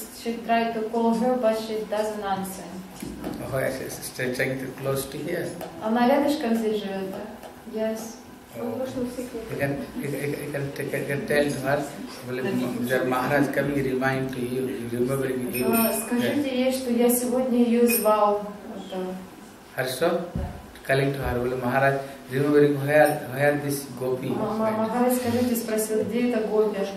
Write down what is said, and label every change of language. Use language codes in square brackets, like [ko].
[en] she tried to call her, but she doesn't answer. Oh, yes, she is staying close to here. [ru] Она рядышком здесь живет, да? [en] Yes. You can tell her, that Maharaj coming, remind to you, remember you. [ru] Скажите ей, что я сегодня ее звал. Хорошо? [en] Calling to her, Maharaj, remembering where this gopi is. [ru] Maharaj, скажите, спросил, где эта гопи?